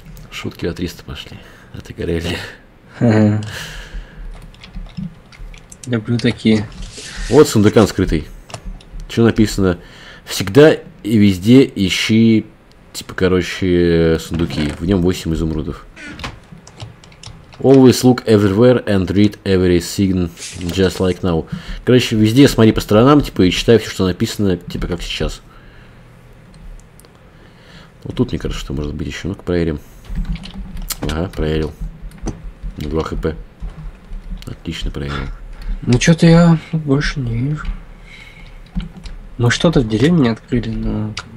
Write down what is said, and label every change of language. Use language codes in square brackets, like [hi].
[ru] Шутки от 300 пошли, а ты горели. Люблю такие. Вот сундукан скрытый. Что написано? Всегда и везде ищи, типа, короче, сундуки. В нем 8 изумрудов. [en] Always look everywhere and read every sign just like now. [ru] Короче, везде смотри по сторонам, типа, и читай все, что написано, типа, как сейчас. Вот тут, мне кажется, что может быть еще. Ну-ка, проверим. Ага, проверил. 2 хп. Отлично проверил. Ну что-то я больше не вижу. Мы что-то в деревне не открыли, но...